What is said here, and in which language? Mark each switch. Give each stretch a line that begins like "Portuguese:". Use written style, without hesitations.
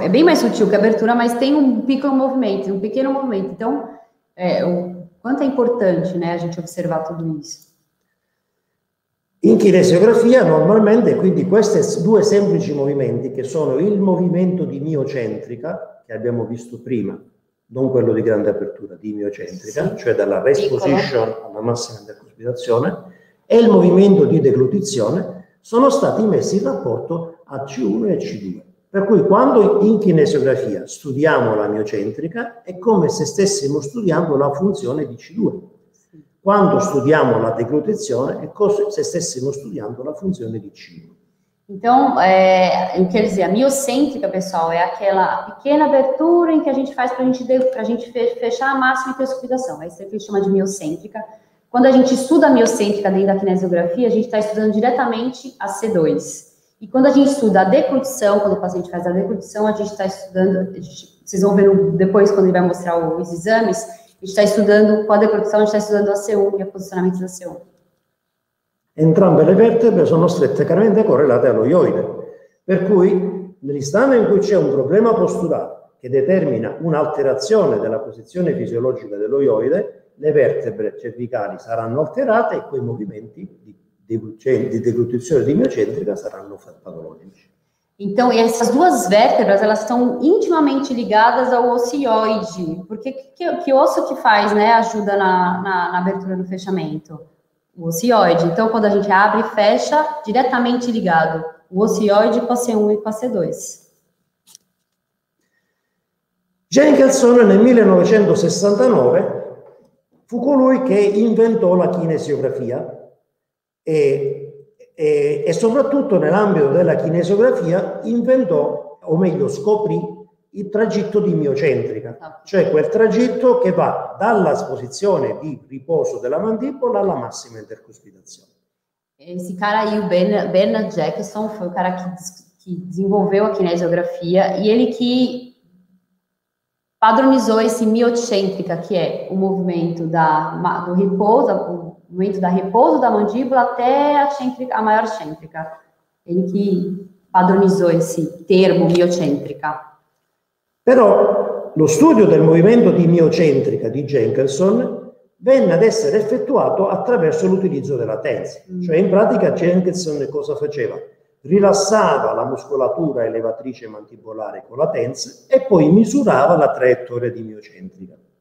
Portuguese: É bem mais sutil que a abertura, mas tem um pequeno movimento. Então, quanto é importante, né, a gente observar tudo isso.
Italian: In kinesiografia, normalmente, quindi, questi due semplici movimenti, che sono il movimento di miocentrica, che abbiamo visto prima, non quello di grande apertura, di miocentrica, sì, cioè dalla rest position alla massima intercospirazione, e il movimento di deglutizione, sono stati messi in rapporto a C1 e C2. Per cui quando in kinesiografia studiamo la miocentrica è come se stessimo studiando la funzione di C2. Quando studiamo la deglutizione è come se stessimo studiando la funzione di C1.
Portuguese: Então, quer dizer, a miocêntrica, pessoal, é aquela pequena abertura em que a gente faz para a gente fechar a máxima intersubdução. É isso que a gente chama de miocêntrica. Quando a gente estuda a miocêntrica dentro da kinesiografia, a gente está estudando diretamente a C2. E quando a gente estuda a deglutição, quando o paciente faz a deglutição, a gente está estudando, vocês vão ver depois, quando ele vai mostrar os exames, a gente está estudando, com a deglutição, a gente está estudando a C1 e o posicionamento da C1.
Italian: Entrambe le vertebre sono strettamente correlate allo ioide, per cui nell'istante in cui c'è un problema posturale che determina un'alterazione della posizione fisiologica dello ioide, le vertebre cervicali saranno alterate e quei movimenti di deglutizione di miocentrica saranno patologici.
Portuguese: Então, e essas duas vértebras, elas estão intimamente ligadas ao ossioide, porque que osso que faz, né, ajuda na abertura e no fechamento? O ossioide. Então, quando a gente abre e fecha, diretamente ligado. O ossioide com a C1 e com a C2.
Italian: Jenkinson, nel 1969, fu colui che inventò la kinesiografia e soprattutto nell'ambito della kinesiografia inventò, o meglio scoprì, il tragitto di miocentrica, cioè quel tragitto che va dalla posizione di riposo della mandibola alla massima intercuspidazione.
Portuguese: Esse cara aí, o Bernard Jackson, foi o cara que desenvolveu a kinesiografia e ele que padronizou esse miocêntrica, que é o movimento do repouso, o movimento da repouso da mandíbula até a maior cêntrica. Ele que padronizou esse termo miocêntrica.
Italian: Però lo studio del movimento di miocentrica di Jenkinson venne ad essere effettuato attraverso l'utilizzo della TENS. Cioè in pratica Jenkinson cosa faceva? Rilassava la muscolatura elevatrice mandibolare con la TENS e poi misurava la traiettoria di miocentrica.